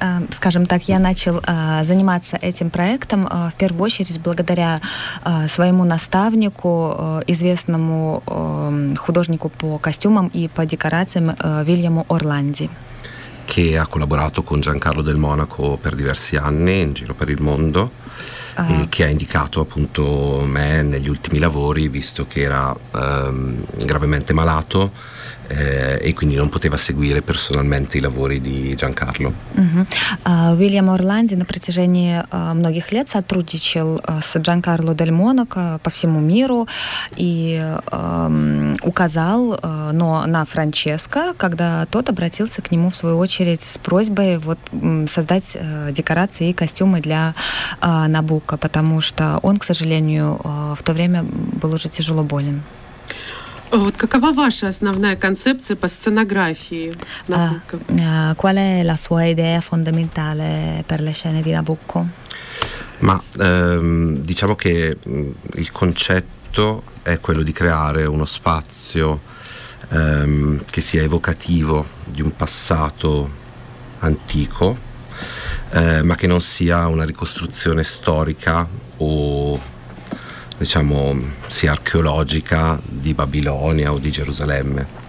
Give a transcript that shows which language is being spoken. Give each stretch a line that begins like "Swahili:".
Russian: Скажем так, я начал заниматься этим проектом в первую очередь благодаря своему наставнику, известному художнику по костюмам и по декорациям Вильяму Орланди.
Italian: Che ha collaborato con Giancarlo Del Monaco per diversi anni in giro per il mondo e che ha indicato appunto me negli ultimi lavori, visto che era gravemente malato e quindi non poteva seguire personalmente i lavori di Giancarlo.
Russian: William Orlandi на протяжении многих лет сотрудничал с Джанкарло Дель Монако по всему миру и указал, но на Франческо, когда тот обратился к нему в свою очередь с просьбой вот создать декорации и костюмы для Набокко, потому что он, к сожалению, в то время был уже тяжело болен. Вот какова ваша основная концепция по сценографии Набокко?
Italian: Qual è la sua idea fondamentale per le scene di Nabucco? Ma diciamo che il concetto è quello di creare uno spazio che sia evocativo di un passato antico, ma che non sia una ricostruzione storica o diciamo sia archeologica di Babilonia o di Gerusalemme.